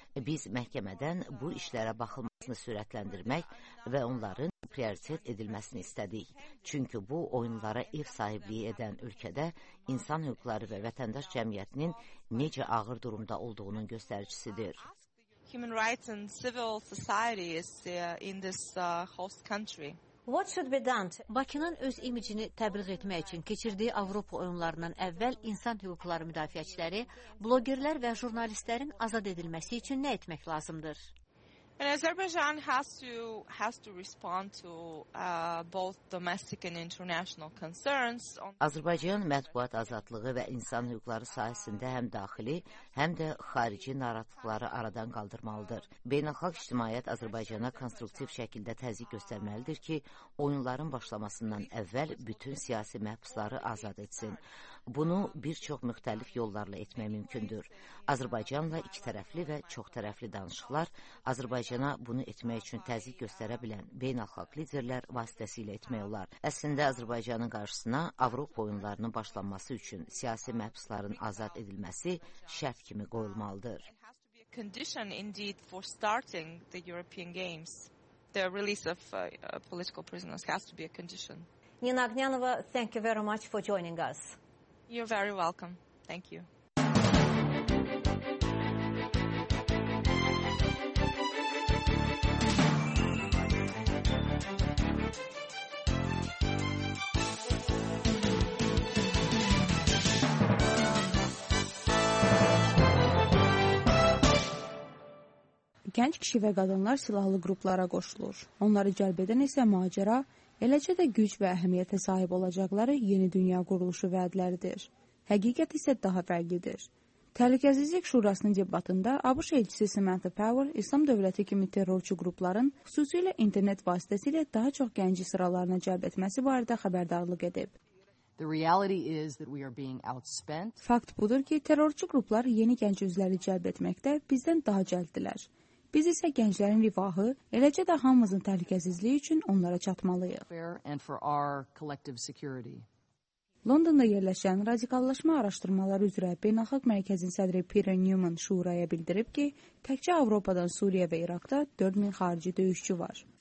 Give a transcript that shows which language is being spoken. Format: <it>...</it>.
<az>Biz məhkəmədən bu işlərə baxılmasını sürətləndirmək və onların prioritet edilməsini istədik. Çünki bu, oyunlara ev sahibliyi edən ölkədə insan hüquqları və vətəndaş cəmiyyətinin necə ağır durumda olduğunun göstəricisidir.</az> <en>Human rights and civil society is in this host country. What should be done?</en> <az>Bakının öz imicini təbliğ etmək üçün keçirdiyi Avropa oyunlarından əvvəl insan hüquqları müdafiəçiləri, bloqerlər və jurnalistlərin azad edilməsi üçün nə etmək lazımdır?</az> <en>And Azerbaijan has to respond to both domestic and international concerns.</en> <az>Azərbaycan mətbuat azadlığı və insan hüquqları sahəsində həm daxili, həm də xarici narahatlıqları aradan qaldırmalıdır. Beynəlxalq ictimaiyyət Azərbaycana konstruktiv şəkildə təzyiq göstərməlidir ki, oyunların başlamasından əvvəl bütün siyasi məhbusları azad etsin. Bunu bir çox müxtəlif yollarla etmək mümkündür. Azərbaycanla iki tərəfli və çox tərəfli danışıqlar Azərbaycana bunu etmək üçün təzyiq göstərə bilən beynəlxalq liderlər vasitəsilə etmək olar. Əslində, Azərbaycanın qarşısına Avropa oyunlarının başlanması üçün siyasi məhbusların azad edilməsi şərt kimi qoyulmalıdır.</az> <en>Condition indeed for starting the European Games. The release of political prisoners has to be a condition. Nina Agnyanova, thank you very much for joining us. You're very welcome. Thank you.</en> <az>Gənc kişi və qadınlar silahlı qruplara qoşulur. Onları cəlb edən isə macera, eləcə də güc və əhəmiyyətə sahib olacaqları yeni dünya quruluşu vədləridir. Həqiqət isə daha fərqlidir. Təhlükəsizlik Şurasının debatında ABŞ elçisi Samantha Power İslam dövləti kimi terrorçu qrupların xüsusilə internet vasitəsilə daha çox gənci sıralarına cəlb etməsi barədə xəbərdarlıq edib.</az> <en>The reality is that we are being outspent.</en> <az>Fakt budur ki, terrorçu qruplar yeni gənc üzvləri cəlb etməkdə bizdən daha cəlddilər. Biz isə gənclərin rifahı, eləcə də hamımızın təhlükəsizliyi üçün onlara çatmalıyıq. Londonda yerləşən radikallaşma araşdırmaları üzrə Beynəlxalq Mərkəzin sədri Peter Newman şuraya bildirib ki, təkcə Avropadan Suriya və İraqda 4000 xarici döyüşçü var.</az>